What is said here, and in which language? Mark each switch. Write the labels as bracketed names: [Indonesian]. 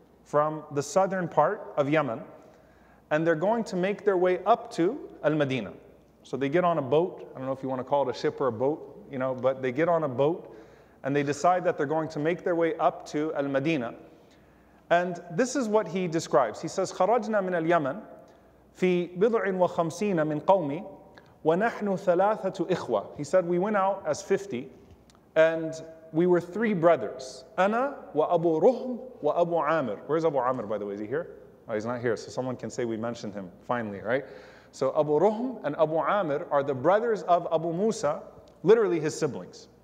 [English] from the southern part of Yemen, and they're going to make their way up to Al-Madinah. So they get on a boat. I don't know if you want to call it a ship or a boat, you know, but they get on a boat and they decide that they're going to make their way up to Al-Madinah. And this is what he describes. He says, [Arabic] خَرَجْنَا مِنَ الْيَمَنِ فِي بِضْعٍ وَخَمْسِينَ مِنْ قَوْمِ وَنَحْنُ ثَلَاثَةُ إِخْوَةٍ. [English] He said, we went out as 50 and we were three brothers. [Arabic] أَنَا وَأَبُو رُهْمْ وَأَبُو عَامِرٍ. [English] Where's Abu Amr, by the way? Is he here? Oh, he's not here. So someone can say we mentioned him finally, right? So Abu Ruhm and Abu Amir are the brothers of Abu Musa, literally his siblings.